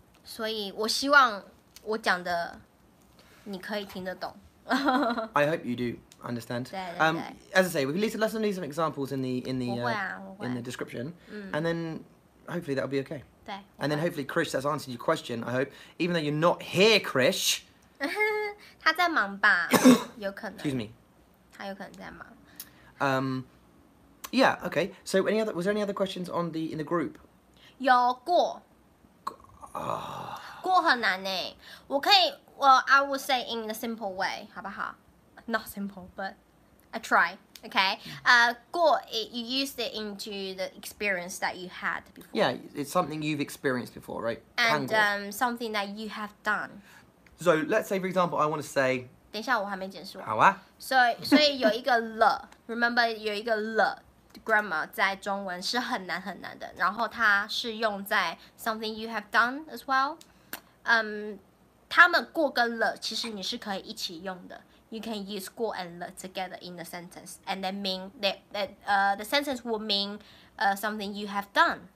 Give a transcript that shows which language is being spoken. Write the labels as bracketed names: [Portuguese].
[Chinese] 所以我希望我讲的你可以听得懂。 [English] I hope you do understand. [Chinese] 对对对。 [English] As I say, we'll need to listen to some examples in the description, and then hopefully that'll be okay. [Chinese] 对。 [English] And then hopefully Krish has answered your question. I hope, even though you're not here, Krish. [Chinese] 他在忙吧？有可能。 [English] Excuse me. [Chinese] 他有可能在忙。 [English] Yeah. Okay. So, was there any other questions on the in the group? [Chinese] 有过。过很难诶。我可以。 [English] Well, I would say in a simple way, [Chinese] 好不好？ [English] Not simple, but I try, okay? 过, you used it into the experience that you had before. Yeah, it's something you've experienced before, right? And something that you have done. So, let's say, for example, I want to say... [Chinese] 等一下，我还没解释完。好啊。所以有一个了 ,remember, 有一个了 grammar 在中文是很难很难的，然后它是用在 [English] something you have done as well. [Chinese] 他们过跟了，其实你是可以一起用的。 [English] You can use 过 and 了 together in the sentence, and then mean the sentence will mean something you have done.